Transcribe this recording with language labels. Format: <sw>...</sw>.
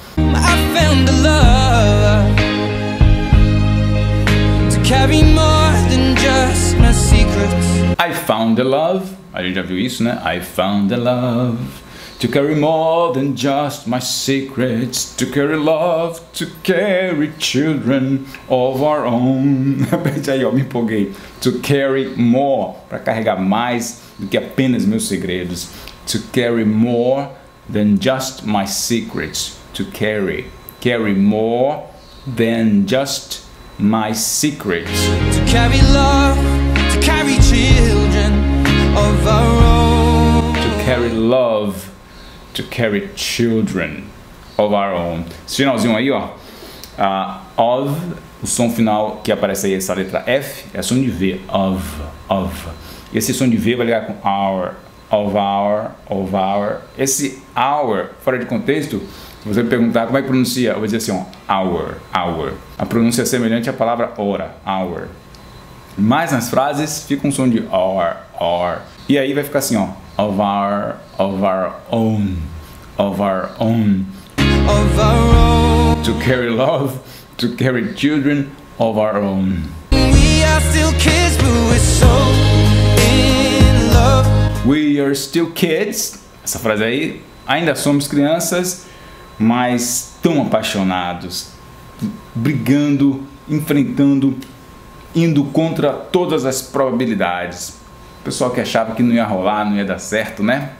<en>I found a lover to carry more than just my secrets. I found a love.</en> <pt>A gente já viu isso, né?</pt> <en>I found a love to carry more than just my secrets. To carry love, to carry children of our own.</en> <pt>Repete aí, ó, me empolguei.</pt> <en>To carry more,</en> <pt>pra carregar mais do que apenas meus segredos.</pt> <en>To carry more than just my secrets. To carry, carry more than just my secrets. To carry love, to carry children of our own. To carry love, to carry children of our own.</en> <pt>Esse finalzinho aí, ó. Of, o som final que aparece aí, essa letra F, é som de V. Of. E esse som de V vai ligar com our,</pt> <en>of our, of our.</en> <pt>Esse our, fora de contexto, você me perguntar como é que pronuncia, eu vou dizer assim, ó, our, our. A pronúncia é semelhante à palavra hora, our. Mas nas frases fica um som de or, or. E aí vai ficar assim, ó,</pt> <en>of our own, of our own. Of our own. To carry love, to carry children of our own. We are still kids, but we're so in love. We are still kids.</en> <pt>Essa frase aí, ainda somos crianças, mas tão apaixonados, brigando, enfrentando, indo contra todas as probabilidades. O pessoal que achava que não ia rolar, não ia dar certo, né?</pt>